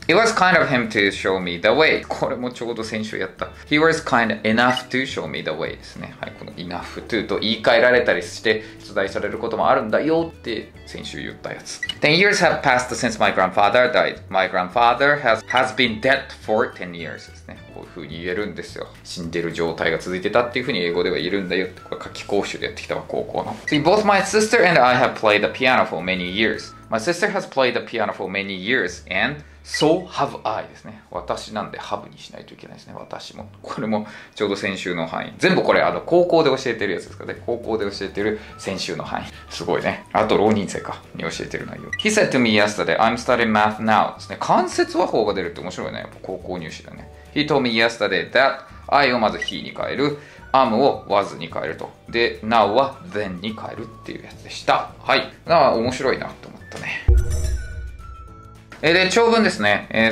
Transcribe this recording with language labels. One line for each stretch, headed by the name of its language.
English: It was kind of him to show me the way。
Japanese: これもちょうど先週やった。
English: He was kind of enough to show me the way
Japanese: ですね。はい、この enough to と言い換えられたりして出題されることもあるんだよって先週言ったやつ。
English: 10 years have passed since my grandfather died。 My grandfather has been dead for 10 years ですね。
Japanese: こういう風に言えるんですよ。死んでる状態が続いてたっていう風に英語では言えるんだよって。これ夏期講習でやってきたわ、高校の。
English: See, both my sister and I have played the piano for many years. My sister has played the piano for many years and so have I ですね。
Japanese: 私なんで have にしないといけないですね。私も。これもちょうど先週の範囲。全部これ、あの、高校で教えてるやつですかね。高校で教えてる先週の範囲。すごいね。あと、浪人生か。に教えてる内容。
English: He said to me yesterday, I'm studying math now.
Japanese: ですね。関節和法が出るって面白いね。やっぱ高校入試だね。
English: He told me yesterday that I
Japanese: をまず he に変える。am を was に変えると。で、now は then に変えるっていうやつでした。はい。なあ、面白いなと思ったね。で、長文ですね。